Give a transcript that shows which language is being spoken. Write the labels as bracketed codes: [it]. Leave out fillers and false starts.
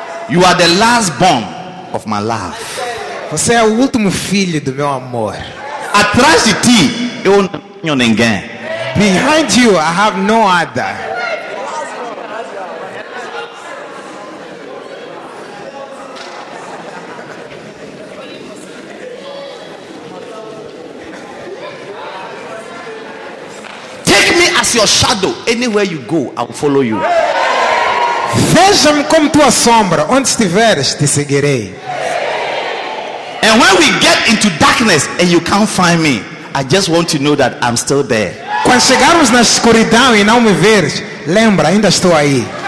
[en] You are the last born of my love. [pt] Você é o último filho do meu amor. Atrás de ti, eu não tenho ninguém. [en] Behind you, I have no other. Take me as your shadow. Anywhere you go, I will follow you. [pt] Veja-me como tua sombra. Onde estiveres, te seguirei. [en] And when we get into darkness and you can't find me, I just want to know that I'm still there. [pt] Quando chegarmos na escuridão e não me veres, lembra, ainda estou aí.